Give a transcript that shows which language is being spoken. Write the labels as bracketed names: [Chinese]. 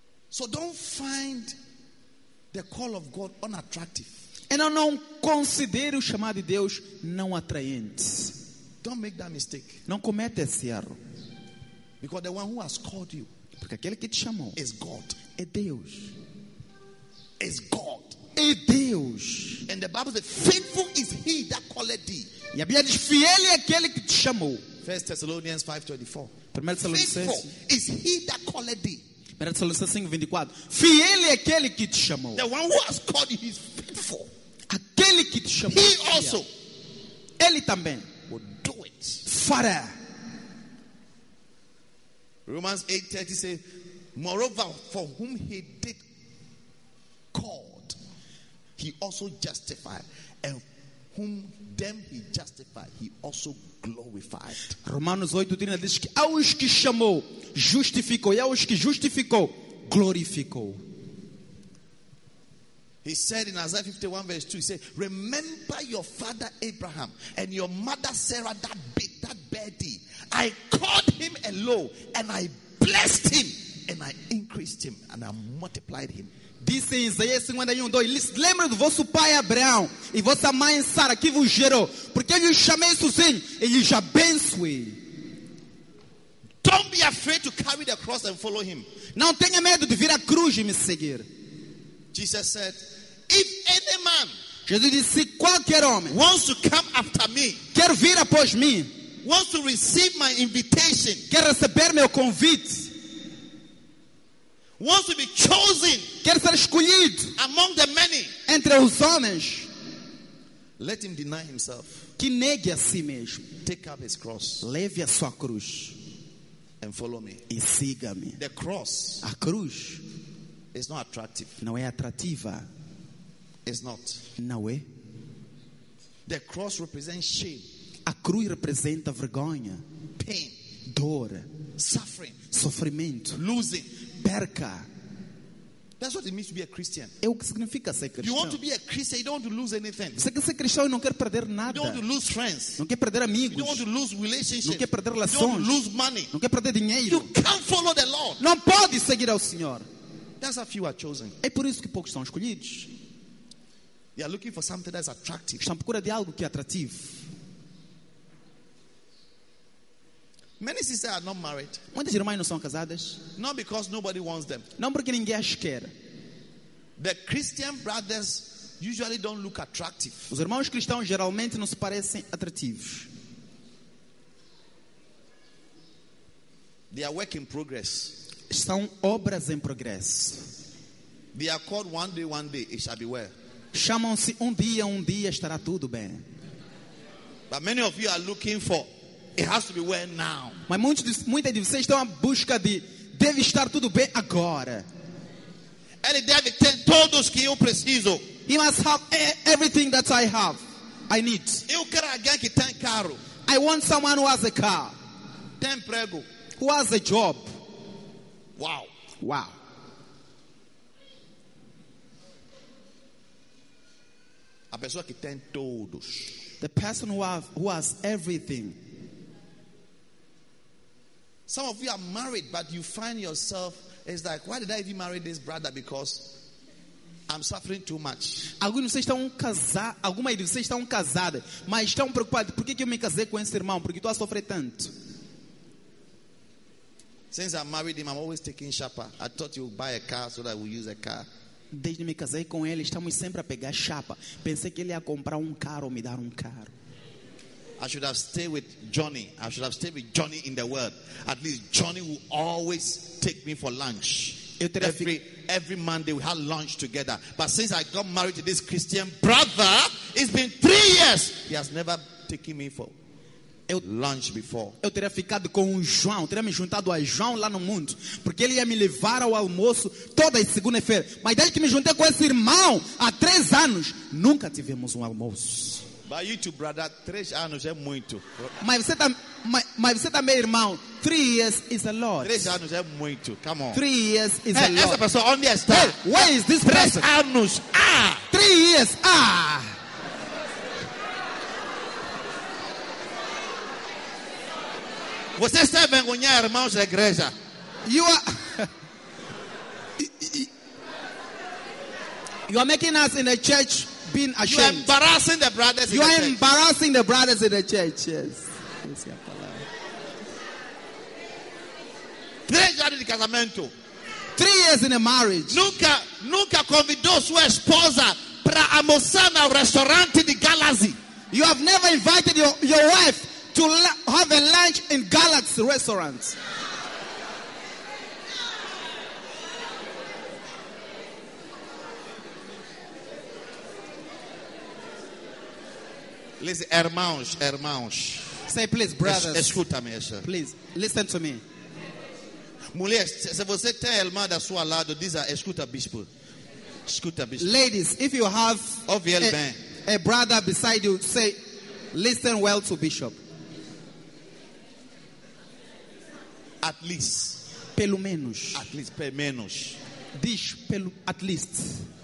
[English] So don't find the call of God unattractive. [Portuguese] Então não considere o chamado de Deus não atraente. [English] Don't make that mistake. [Portuguese] Não cometa esse erro. [English] Because the one who has called you, [Portuguese] porque aquele que te chamou, [English] is God. [Portuguese] É Deus. [English] Is God. [Portuguese] É Deus. [English] And the Bible says, "Faithful is He that called thee." [Portuguese] E a Bíblia diz, fiel é aquele que te chamou. [English] 1 Thessalonians 5:24. Faithful is He that called thee. [Portuguese] 1 Thessalonians 5:24. Fiel é aquele que te chamou. [English] The one who has called you is faithful. [Portuguese] Aquele que te chamou. [English] He also. [Portuguese] Ele também. [English] Will do it. [Portuguese] Fará. [English] Romans 8:30 says, "Moreover, for whom he did call, he also justified, and whom them he justified, he also glorified." [Portuguese] Romanos 8:30 diz que aos que chamou justificou e aos que justificou glorificou. [English] He said in Isaiah 51 verse 2, he said, "Remember your father Abraham and your mother Sarah, that big, that birdie. I called him alone and I blessed him and I increased him and I multiplied him." [Portuguese] Diz em Isaías 51:2, "Lembra do vosso pai Abraão e vossa mãe Sara que vos gerou, porque eu lhe chamei sozinho e lhe abençoei." [English] Don't be afraid to carry the cross and follow him. [Portuguese] Não tenha medo de vir a cruz e me seguir. [English] Jesus said, "If any man," [Portuguese] Jesus disse, "qualquer homem [English] wants to come after me," [Portuguese] quer vir após mim, [English] "wants to receive my invitation," [Portuguese] quer receber meu convite, [English] "wants to be chosen," [Portuguese] quer ser escolhido [English] "among the many," [Portuguese] entre os homens, [English] "let him deny himself," [Portuguese] que negue a si mesmo, [English] "take up his cross," [Portuguese] leve a sua cruz, [English] "and follow me," [Portuguese] e siga-me. [English] The cross, [Portuguese] a cruz, [English] it's not attractive. [Portuguese] Não é atrativa. [English] It's not. [Portuguese] Não é. [English] The cross represents shame. [Portuguese] A cruz representa vergonha. [English] Pain. [Portuguese] Dor. [English] Suffering. [Portuguese] Sofrimento. [English] Losing. [Portuguese] Perca. [English] That's what it means to be a Christian. [Portuguese] É o que significa ser cristão. [English] You want to be a Christian, you don't want to lose anything. [Portuguese] Você quer ser cristão e não quer perder nada. [English] You don't want to lose friends. [Portuguese] Não quer perder amigos. [English] You don't want to lose relationships. [Portuguese] Não quer perder relações. [English] You don't want to lose money. [Portuguese] Não quer perder dinheiro. [English] You can't follow the Lord. [Portuguese] Não pode seguir ao Senhor. [English] That's a few are chosen. [Portuguese] É por isso que poucos são escolhidos. [English] They are looking for something that's attractive. [Portuguese] Estão à procura de algo que é atrativo. [English] Many sisters are not married. [Portuguese] Muitas irmãs não são casadas. [English] Not because nobody wants them. [Portuguese] Não porque ninguém as quer. [English] The Christian brothers usually don't look attractive. [Portuguese] Os irmãos cristãos geralmente não se parecem atrativos. [English] They are work in progress. [Portuguese] São obras em progresso. [English] They are called one day, it shall be well. [Portuguese] Chamam-se um dia estará tudo bem. [English] But many of you are looking for, it has to be well now. [Portuguese] Mas muitos de vocês estão à busca de, deve estar tudo bem agora. Ele deve ter todos que eu preciso. [English] He must have everything that I have, I need. [Portuguese] Eu quero alguém que tem carro. [English] I want someone who has a car. [Portuguese] Tem emprego. [English] Who has a job. Wow. Wow. [Portuguese] A pessoa que tem todos. [English] The person who has everything. Some of you are married, but you find yourself, it's like, why did I even marry this brother? Because I'm suffering too much. [Portuguese] Algumas de vocês estão casadas, mas estão preocupadas. Por que eu me casei com esse irmão? Porque estou a sofrer tanto. [English] Since I married him, I'm always taking chapa. I thought you would buy a car so that we use a car. [Portuguese] Desde me casei com ele, estamos sempre a pegar chapa. Pensei que ele ia comprar carro ou me dar carro. [English] I should have stayed with Johnny. I should have stayed with Johnny in the world. At least Johnny will always take me for lunch. Every Monday we had lunch together. But since I got married to this Christian brother, it's been 3 years. He has never taken me for lunch before. [Portuguese] Eu teria ficado com o João, teria me juntado a João lá no mundo, porque ele ia me levar ao almoço toda segunda-feira. Mas desde que me juntei com esse irmão há 3 anos, nunca tivemos um almoço. [English] But you too, brother, [Portuguese] 3 anos é muito. Mas você também, irmão, [English] 3 years is a lot. [Portuguese] 3 anos é muito. [English] Come on. 3 years is a lot. [Portuguese] Essa pessoa onde está? [English] Hey, where is this [Portuguese] três [English] person? [Portuguese] 3 anos. Ah. [English] 3 years. Ah. [Portuguese] Você está vergonhando, irmãos da igreja? [English] You are making us in the church being ashamed. You are embarrassing the brothers. You in the are church. Embarrassing the brothers in the church. Yes. Yes, yes. [Portuguese] Casamento. [English] 3 years in a marriage. [Portuguese] Nunca, nunca convidou sua esposa para almoçar no restaurante de Galaxy. [English] You have never invited your wife to have a lunch in Galaxy restaurant. Listen, [Portuguese] irmãos, irmãos. [English] Say please, brothers. [Portuguese] Escuta-me, sir. [English] Please, listen to me. [Portuguese] Mulher, se você tem a irmã da sua lado, diz a escuta, bispo. Escuta, bispo. [English] Ladies, if you have a brother beside you, say, listen well to bishop. At least. [Portuguese] Pelo menos. [English] At least, [Portuguese] pelo menos. Diz, pelo, [English] at least.